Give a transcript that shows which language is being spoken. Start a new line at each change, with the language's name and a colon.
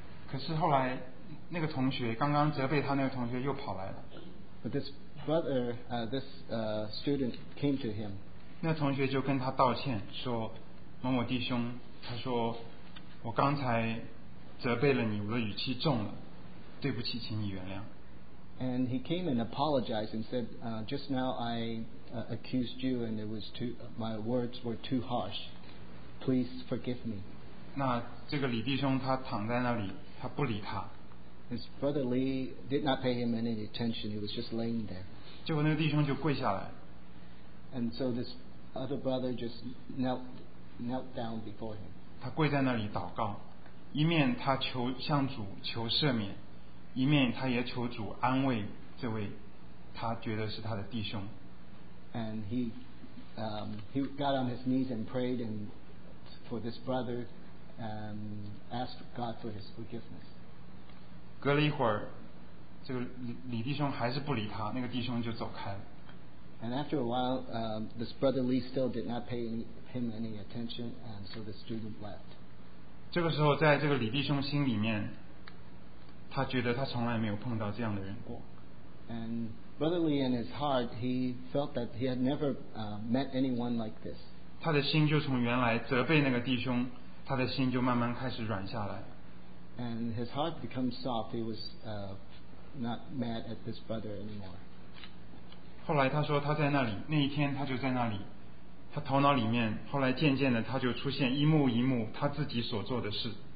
Chinese: 可是后来，那个同学刚刚责备他那个同学又跑来了。
English: But this brother, this student came to him.
Chinese: 那同学就跟他道歉说：“某某弟兄，他说我刚才责备了你，我的语气重了，对不起，请你原谅。”
English: And he came and apologized and said, "Just now I accused you, and it was too my words were too harsh. Please forgive me."
Chinese: 那这个李弟兄他躺在那里。他不理他。
English: His brother Lee did not pay him any attention. He was just laying there.
Chinese: 结果那个弟兄就跪下来。
English: And so this other brother just knelt down before him.
Chinese: 他跪在那里祷告，一面他求向主求赦免，一面他也求主安慰这位他觉得是他的弟兄。
English: And he got on his knees and prayed and for this brother. Ask God for His forgiveness.
Chinese: 隔了一会儿，这个李弟兄还是不理他，那个弟兄就走开了。
English: And after a while, this brother Lee still did not pay him any attention, and so the student left.
Chinese: 这个时候，在这个李弟兄心里面，他觉得他从来没有碰到这样的人过。
English: And brother Lee, in his heart, he felt that he had never met anyone like this.
Chinese: 他的心就从原来责备那个弟兄。他的心就慢慢开始软下来。
English: And his heart became soft. He was not mad at this brother anymore.
Chinese: 后来他说他在那里，那一天他就在那里，他头脑里面后来渐渐的他就出现一幕一幕他自己所做的事。